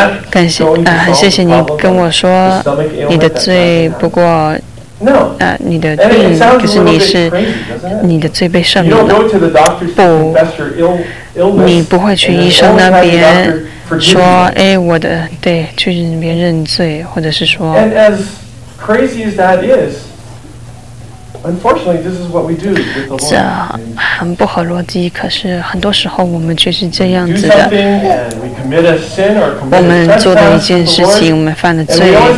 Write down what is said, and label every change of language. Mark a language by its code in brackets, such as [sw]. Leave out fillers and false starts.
[zh] 感谢啊，很谢谢你跟我说你的罪，不过。 [en] No. [zh] 你的病，可是你是你的罪被赦免了。不，你不会去医生那边说，哎，我的，对，去那边认罪，或者是说。 [en] And as crazy as that is, unfortunately, this is what we do with the Lord. [zh] 这很不合逻辑，可是很多时候我们却是这样子的。我们做了一件事情，我们犯了罪。